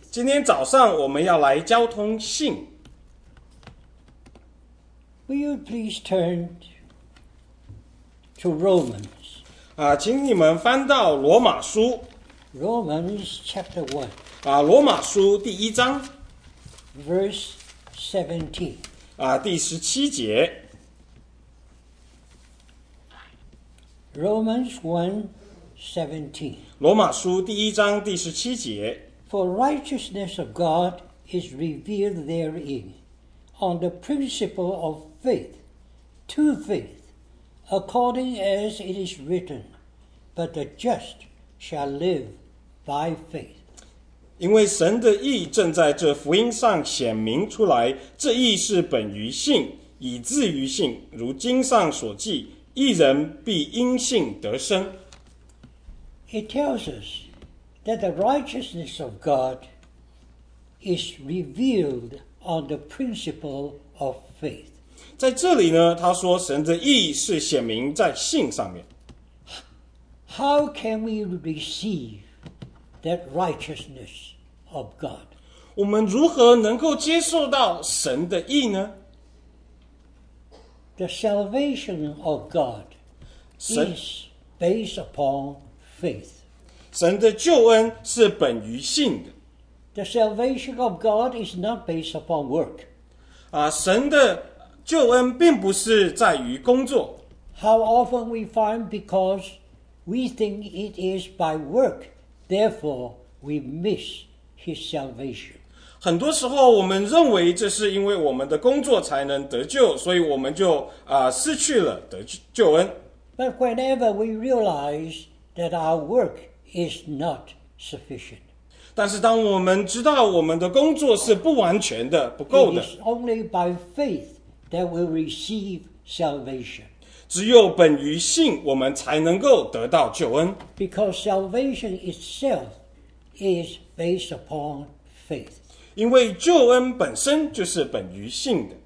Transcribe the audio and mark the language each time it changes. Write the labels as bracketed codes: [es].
[zh] 今天早上我们要来交通信。 [en] Will you please turn to Romans? [zh] 请你们翻到罗马书。 [en] Romans chapter 1. [zh] 罗马书第一章。 [en] Verse 17. [zh] 第十七节。 [en] Romans 1:17. [zh] 罗马书第一章第十七节。 [en] For righteousness of God is revealed therein, on the principle of faith, to faith, according as it is written. But the just shall live by faith. [zh] 因为神的义正在这福音上显明出来，这义是本于信，以至于信，如经上所记，义人必因信得生。 [en] It tells us that the righteousness of God is revealed on the principle of faith. [zh] 在这里呢，他说神的义是显明在信上面。 [en] How can we receive that righteousness of God? [zh] 我们如何能够接受到神的义呢？ [en] The salvation of God is based upon faith. [zh] 神的救恩是本于信的。 [en] The salvation of God is not based upon work. [zh] 神的救恩并不是在于工作。 [en] How often we find becauseWe think it is by work, therefore we miss his salvation. [zh] 很多时候我们认为这是因为我们的工作才能得救，所以我们就失去了得救恩。 [en] But whenever we realize that our work is not sufficient, [zh] 但是当我们知道我们的工作是不完全的，不够的。 [en] It is only by faith that we receive salvation. [zh] 只有本于信，我们才能够得到救恩。 [en] Because salvation itself is based upon faith. [zh] 因为救恩本身就是本于信的。